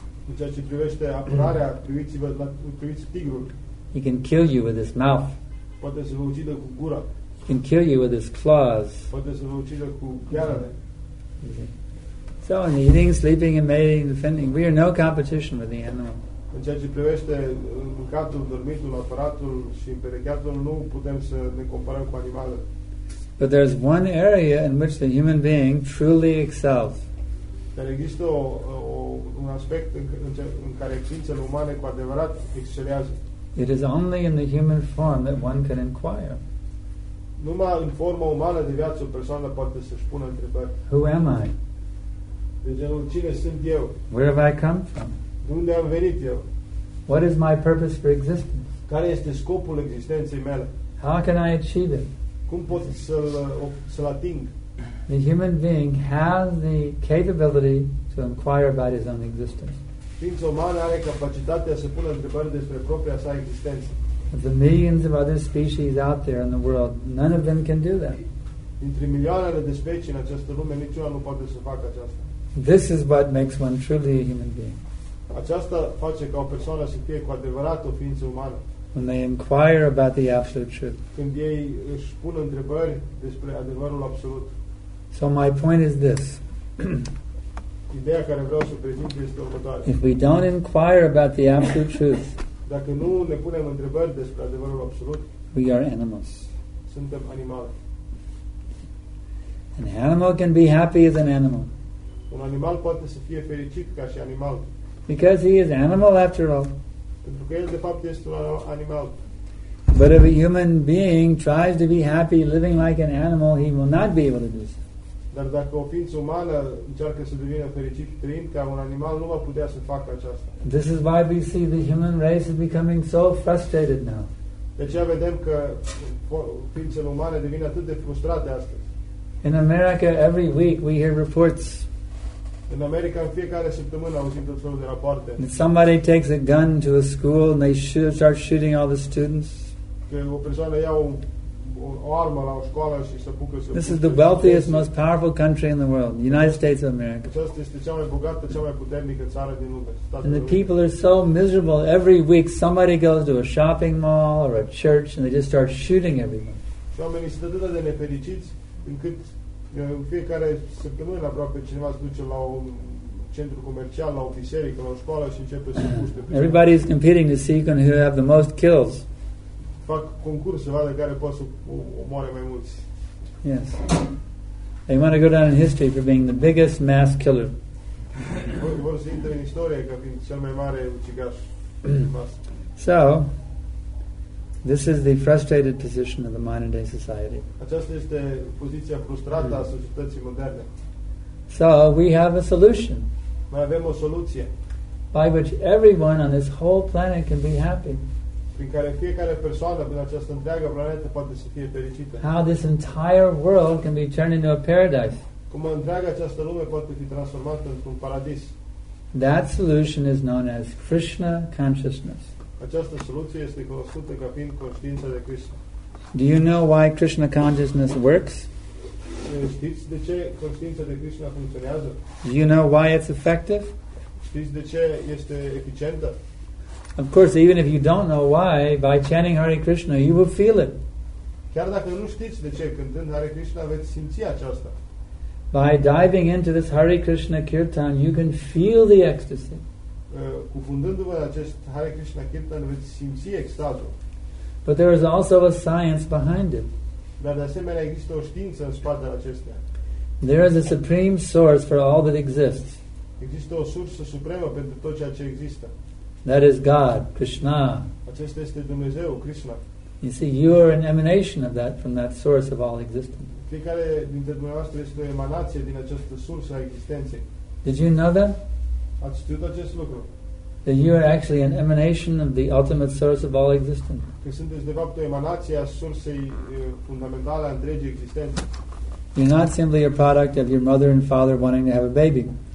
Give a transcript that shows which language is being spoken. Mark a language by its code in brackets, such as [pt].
[ro] În ceea ce privește apărarea, priviți tigrul. [en] He can kill you with his mouth. [ro] Poate să vă ucidă cu gura. [en] He can kill you with his claws. [ro] Poate să vă ucidă cu piarele. [en] So in eating, sleeping, and mating, defending, we are no competition with the animal. [ro] În ceea ce privește mâncatul, dormitul, apăratul și împerecheatul, nu putem să ne comparăm cu animale. [en] But there's one area in which the human being truly excels. [ro] Dar există un aspect în care ființele umane cu adevărat excelează. [en] It is only in the human form that one can inquire. [ro] Numai în forma umană de viață o persoană poate să-și pună întrebări. [en] Who am I? [ro] De genul, cine sunt eu? [en] Where have I come from? [ro] De unde am venit eu? [en] What is my purpose for existence? [ro] Care este scopul existenței mele? [en] How can I achieve it? [ro] Cum pot să-l ating? [en] The human being has the capability to inquire about his own existence. [ro] Ființa umană are capacitatea să pună întrebări despre propria sa existență. [en] Of the millions of other species out there in the world, none of them can do that. [ro] Dintre milioanele de specii în această lume, niciuna nu poate să facă aceasta. [en] This is what makes one truly a human being. [ro] Aceasta face ca o persoană să fie cu adevărat o ființă umană. [en] When they inquire about the absolute truth. [ro] Când ei își pun întrebări despre adevărul absolut. [en] So my point is this. [ro] Ideea care vreau să prezint este următoarea. [en] If we don't inquire about the absolute truth. [ro] Dacă nu ne punem întrebări despre adevărul absolut. [en] We are animals. [ro] Suntem animale. [en] An animal can be happy as an animal. [ro] Un animal poate să fie fericit ca și animal. [en] Because he is animal after all. [ro] Pentru că el de fapt este un animal. [en] But if a human being tries to be happy living like an animal, he will not be able to do so. [ro] Dar dacă o ființă umană încearcă să devină fericit trăind ca un animal, nu va putea să facă aceasta. [en] This is why we see the human race is becoming so frustrated now. [ro] De aceea vedem că ființele umane devin atât de frustrate astăzi. [en] In America, every week we hear reports. [ro] In America, în fiecare săptămână auzim tot felul de rapoarte. [en] That somebody takes a gun to a school and they start shooting all the students. [ro] Că o persoană ia o armă la o școală și se apucă să. [en] This is the wealthiest, most powerful country in the world, the United States of America. [ro] Aceasta este cea mai bogată, cea mai puternică țară din lume. [en] And the people are so miserable. Every week, somebody goes to a shopping mall or a church and they just start shooting everyone. [ro] Și oamenii sunt atât de nefericiți încât în fiecare săptămână aproape cineva se duce la un centru comercial, la o biserică, la o școală și începe să puște. [en] Everybody is competing to see who have the most kills. [ro] Fac concurs să vadă care poate să omoare mai mulți. [en] Yes. They want to go down in history for being the biggest mass killer. [ro] Vor să intre în istorie ca fiind cel mai mare ucigaș de masă. [en] So, this is the frustrated position of the modern day society. [ro] Aceasta este poziția frustrată a societății moderne. [en] So we have a solution. [ro] Noi avem o soluție. [en] By which everyone on this whole planet can be happy. [ro] Prin care fiecare persoană pe această întreagă planetă poate să fie fericită. [en] How this entire world can be turned into a paradise. [ro] Cum întreaga această lume poate fi transformată într-un paradis. [en] That solution is known as Krishna consciousness. [ro] Această soluție este cunoscută ca fiind conștiința de Krishna. [en] Do you know why Krishna consciousness works? [ro] Știți de ce conștiința de Krishna funcționează? [en] Do you know why it's effective? [ro] Știți de ce este eficientă? [en] Of course, even if you don't know why, by chanting Hare Krishna, you will feel it. [ro] Chiar dacă nu știți de ce cântând Hare Krishna veți simți aceasta. [en] By diving into this Hare Krishna kirtan, you can feel the ecstasy. [ro] Cufundându-vă în acest Hare Krishna kirtan, veți simți extazul. [en] But there is also a science behind it. [ro] Dar de asemenea există o știință în spatele acestea. [en] There is a supreme source for all that exists. [ro] Există o sursă supremă pentru tot ceea ce există. [en] That is God, Krishna. [ro] Acesta este Dumnezeu, Krishna. [en] You see, you are an emanation of that, from that source of all existence. [ro] Fiecare dintre dumneavoastră este o emanație din această sursă a existenței. [en] Did you know that? [ro] Ați știut acest lucru? [en] That you are actually an emanation of the ultimate source of all existence. [ro] Că sunteți de fapt o emanație a sursei fundamentale a întregii existențe. [en] You're not simply a product of your mother and father wanting to have a baby.